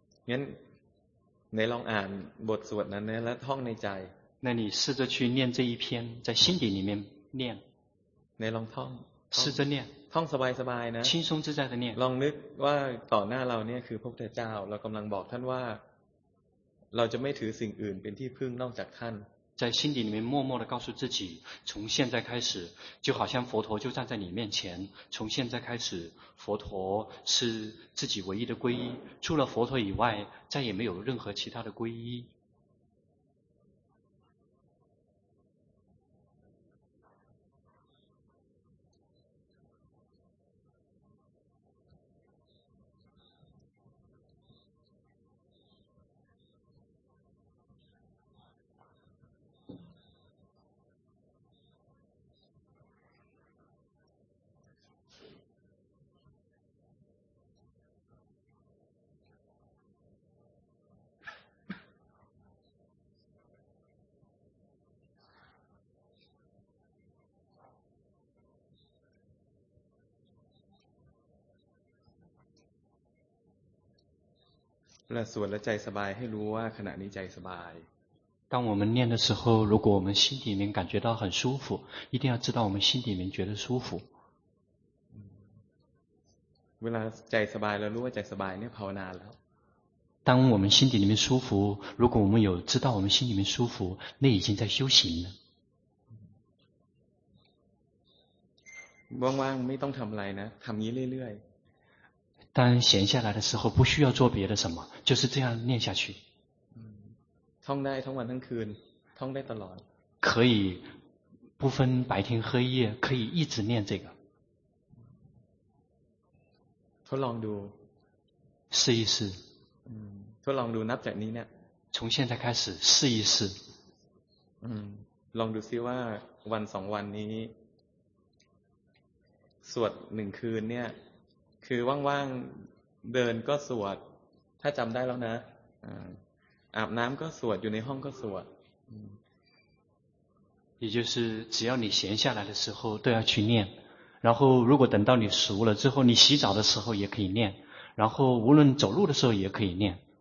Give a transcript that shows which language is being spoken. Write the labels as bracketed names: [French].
[Thai] งั้นในลองอ่านบทสวดนั้นและท่องในใจ [Chinese] 那你试着去念这一篇在心底里面念 [Thai] ในลองท่อง [Chinese] 试着念 [Thai] ท่องสบายๆนะ [Chinese] 轻松自在的念 [Thai] ลองนึกว่าต่อหน้าเราเนี่ยคือพระพุทธเจ้าเรากำลังบอกท่านว่าเราจะไม่ถือสิ่งอื่นเป็นที่พึ่งนอกจากท่าน [Chinese] 在心底里面默默地告诉自己，从现在开始，就好像佛陀就站在你面前，从现在开始，佛陀是自己唯一的皈依，除了佛陀以外，再也没有任何其他的皈依。 [Thai] 那สวดแล้วใจสบายให้รู้ว่าขณะนี้ใจสบาย [Chinese] 当我们念的时候如果我们心里面感觉到很舒服一定要知道我们心里面觉得舒服 [Thai] เวลาใจสบายแล้วรู้ว่าใจสบายเนี่ยภาวนาแล้ว [Chinese] 当我们心底里面舒服如果我们有知道我们心里面舒服那已经在修行了 [Thai] ว่างๆไม่ต้องทำอะไรนะทำนี้เรื่อยๆ [Chinese] 当闲下来的时候不需要做别的什么就是这样念下去 [Thai] 通ได้ทั้งวันทั้งคืน通ได้ตลอด [Chinese] 可以不分白天黑夜可以一直念这个 [Thai] ทดลองดู [Chinese] 试一试 [Thai] ทดลองดูนับจากนี้เนี่ย [Chinese] 从现在开始试一试 [Thai] ลองดูซิว่าวันสองวันนี้สวดหนึ่งคืนเนี่ยคือว่างๆเดินก็สวดถ้าจำได้แล้วนะอาบน้ำก็สวดอยู่ในห้องก็สวด [Chinese] 也就是只要你闲下来的时候都要去念然后如果等到你熟了之后你洗澡的时候也可以念然后无论走路的时候也可以念